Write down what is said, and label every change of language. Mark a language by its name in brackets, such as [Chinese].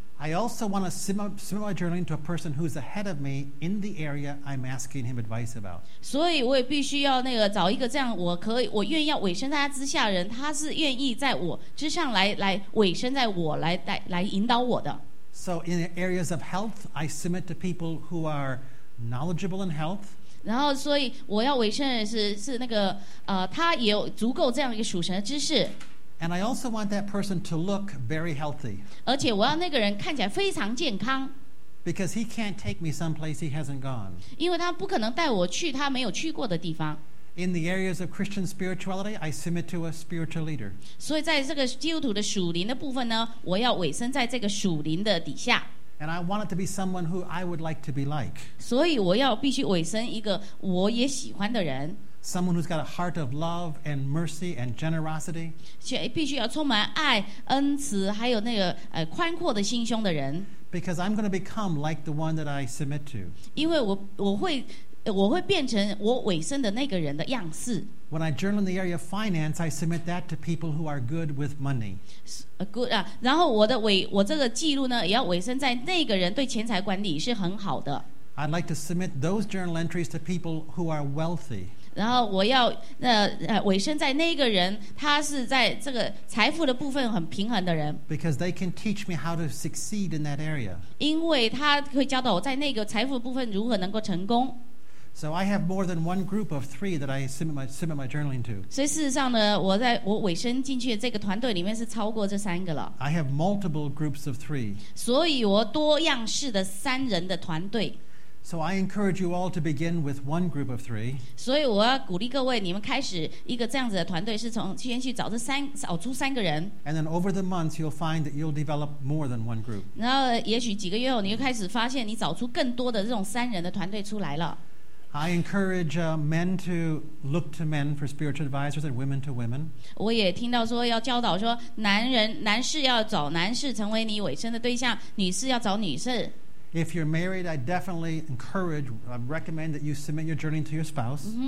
[English] I also want to submit my journaling to a person who's ahead of me in the area I'm asking him advice about. [Chinese] 所以我也必须要那个找一个这样我愿意要委身在他之下的人，他是愿意在我之上来委身在我来引导我的。 [English] So in the areas of health, I submit to people who are knowledgeable in health. [Chinese] 然后所以我要委身的人是那个他也有足够这样一个属神的知识。 [English] And I also want that person to look very healthy. [Chinese] 而且我要那个人看起来非常健康。 [English] Because he can't take me someplace he hasn't gone. [Chinese] 因为他不可能带我去他没有去过的地方。 [English] In the areas of Christian spirituality, I submit to a spiritual leader. [Chinese] 所以在这个基督徒的属灵的部分呢，我要委身在这个属灵的底下。 [English] And I want it to be someone who I would like to be like. [Chinese] 所以我要必须委身一个我也喜欢的人。 [English] Someone who's got a heart of love and mercy and generosity. [Chinese] 必须要充满爱、恩慈，还有那个宽阔的心胸的人。 [English] Because I'm going to become like the one that I submit to. [Chinese] 因为我会变成我委身的那个人的样式。 [English] When I journal in the area of finance, I submit that to people who are good with money. [Chinese] Good 啊，然后我这个记录呢，也要委身在那个人对钱财管理是很好的。 [English] I'd like to submit those journal entries to people who are wealthy. [Chinese] 然后我要委身在那个人，他是在这个财富的部分很平衡的人。 [English] Because they can teach me how to succeed in that area. [Chinese] 因为他可以教导我在那个财富的部分如何能够成功。 [English] So I have more than one group of three that I submit my journaling to. [Chinese] 所以事实上呢，我委身进去的这个团队里面是超过这三个了。 [English] I have multiple groups of three. [Chinese] 所以我多样式的三人的团队。 [English] So I encourage you all to begin with one group of three. [Chinese] 所以我要鼓励各位，你们开始一个这样子的团队，是从先去找出三个人。 [English] And then over the months, you'll find that you'll develop more than one group. [Chinese] 然后也许几个月后，你就开始发现你找出更多的这种三人的团队出来了。 [English] I encourage men to look to men for spiritual advisors and women to women. [Chinese] 我也听到说要教导说男士要找男士成为你委身的对象，女士要找女士。 [English] If you're married, I definitely encourage, I recommend that you submit your journey to your spouse.